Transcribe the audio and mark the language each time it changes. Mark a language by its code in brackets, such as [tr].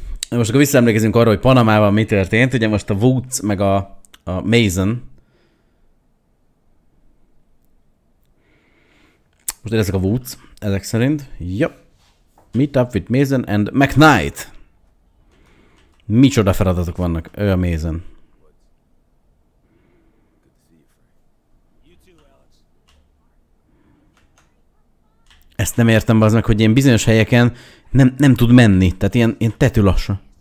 [hu] most akkor visszaemlékezünk arra, hogy Panamában mi történt. Ugye most a Woods meg a Mason. Most ezek a Woods, ezek szerint. [en] Yep. Meet up with Mason and McKnight. [hu] Micsoda feladatok vannak, ő a Mason. Ezt nem értem, bazd meg, hogy ilyen bizonyos helyeken nem tud menni, tehát ilyen tetű lassan.